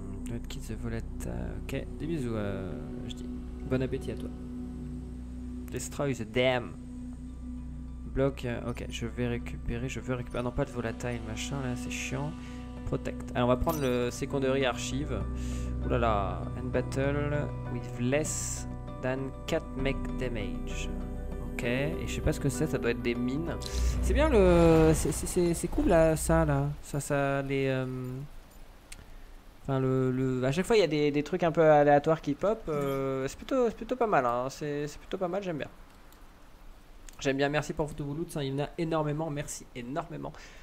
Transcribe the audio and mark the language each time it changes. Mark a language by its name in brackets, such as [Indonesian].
[English] Let's kill the volette. [French] Ok, des bisous, je dis. Bon appétit à toi. [English] Destroy the dam. [French] Block, ok, je veux récupérer. Non, pas de volatile machin là, c'est chiant. Protect. Alors, on va prendre le secondary archive. [English] Oulala, end battle with less than 4 mech damage. [French] Ok, et je sais pas ce que c'est, ça doit être des mines. C'est bien le... C'est cool là, ça là. Ça les... Enfin le... A chaque fois il y a des trucs un peu aléatoires qui pop. C'est plutôt pas mal, hein. C'est plutôt pas mal, j'aime bien, merci pour votre loot, hein. Il y en a énormément, merci énormément.